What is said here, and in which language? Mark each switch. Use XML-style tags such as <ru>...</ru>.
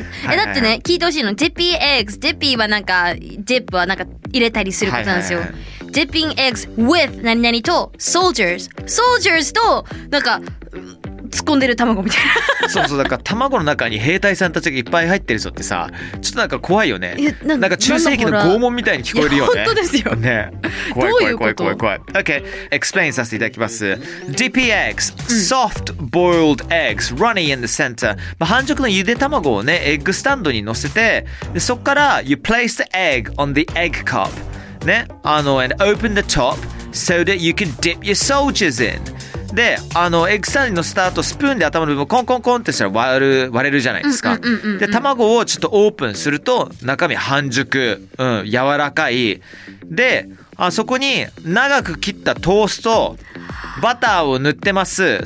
<ja>え、だってね、聞いてほしいの。</ja> <en>Dippy eggs.</en> <ja>Dippy はなんか、dip はなんか入れたりすることなんですよ。</ja> <en>Dipping eggs with</en> <ja>何々と</ja> <en>soldiers.</en> <ja>Soldiers となんか。突っ込んでる卵みたいな。そうそう、だから卵の中に兵隊さんたちがいっぱい入ってるぞってさ、ちょっとなんか怖いよね。なんか中世紀の拷問みたいに聞こえるよね。いや、本当ですよ。ね、怖い怖い怖い怖い怖い。 OK、explain させていただきます。</ja> <en>Dippy eggs, soft boiled eggs, runny in the center。</en> <ja>まあ、半熟のゆで卵をね、エッグスタンドに乗せて、でそこから</ja> <en>you place the egg on the egg cup、ね、and open the top so that you can dip your soldiers in。</en> <ja>で、あのエッグサンドに乗せた後スプーンで頭の部分コンコンコンってしたら割れるじゃないですか。で卵をちょっとオープンすると中身半熟、うん、柔らかい。で、あそこに長く切ったトーストバターを塗ってます。</ja>